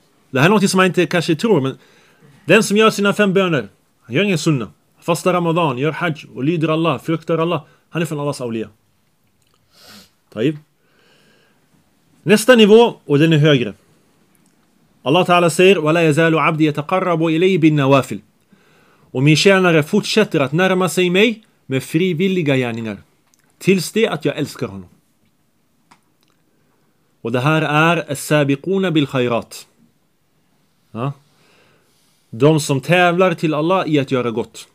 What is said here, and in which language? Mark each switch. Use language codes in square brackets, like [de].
[sv] Det här är något som man inte kanske tror. Men den som gör sina fem böner. Han gör ingen sunna. Fasta ramadan, gör hajj och lyder Allah, fruktar Allah. Han är från allas awliya. Taib. Nästa nivå, och den är högre. Allah ta'ala säger [ar] وَلَا يَزَالُ عَبْدِ يَتَقَرَّبُ إِلَيْهِ بِالنَّوَافِلِ. [sv] Och min tjänare fortsätter att närma sig mig med frivilliga gärningar. Tills det att jag älskar honom. Och det här är [ar] السابقون بالخيرات. [sv] Ja. De som tävlar till Allah i att göra gott.